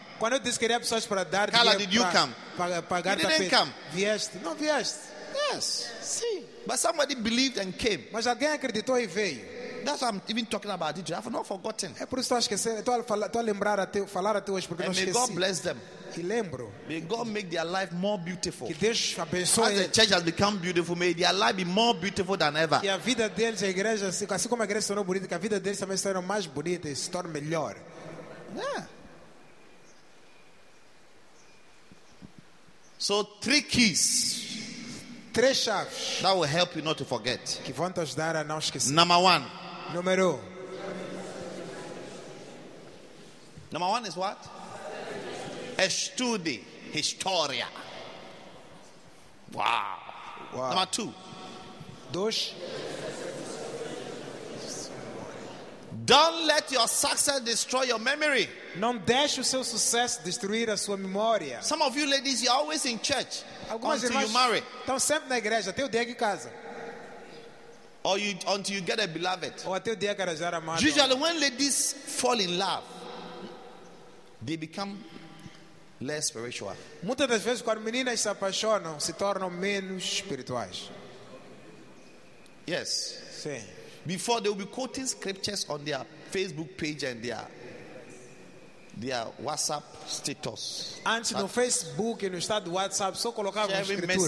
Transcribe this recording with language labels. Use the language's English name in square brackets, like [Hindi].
[Portuguese] Quando disse que era pessoas para dar dinheiro, [English] Carla, did you come? [Portuguese] Pagar [English] you didn't come. [Portuguese] Vieste? Não vieste. [English] Yes. [Portuguese] Sim. [English] But somebody believed and came. [Portuguese] Mas alguém acreditou e veio. [English] That's what I'm even talking about. I have not forgotten. [Portuguese] É por isso que estou a lembrar até falar até hoje porque não esqueci. [English] May God bless them. [Portuguese] E lembro. [English] May God make their life more beautiful. [Portuguese] Que Deus abençoe. [English] As the church has become beautiful, may their life be more beautiful than ever. [Portuguese] E a vida deles, a igreja, assim como a igreja se tornou bonita, que a vida deles também se torne mais bonita e se torne melhor. [English] So three keys. [Portuguese] Três chaves. [English] That will help you not to forget. [Portuguese] Que vão te ajudar a não esquecer. [English] Number one is what? [Portuguese] Estude historia. Wow. [English] Number two. Don't let your success destroy your memory. [Portuguese] Não deixe o seu sucesso destruir a sua memória. [English] Some of you ladies, you're always in church. [Portuguese] Algumas [English] until you marry. [Portuguese] Estão sempre na igreja até o dia que casa. [English] Or you until you get a beloved. [Portuguese] Ou até o dia que arranjar a mano. [English] Usually, when ladies fall in love, they become less spiritual. [Portuguese] Muitas das vezes, quando meninas se apaixonam, se tornam menos espirituais. [English] Yes. [Portuguese] Sim. [English] Before they will be quoting scriptures on their Facebook page and their WhatsApp status. [Portuguese] Antes no Facebook e no estado do WhatsApp, só colocavam as escrituras.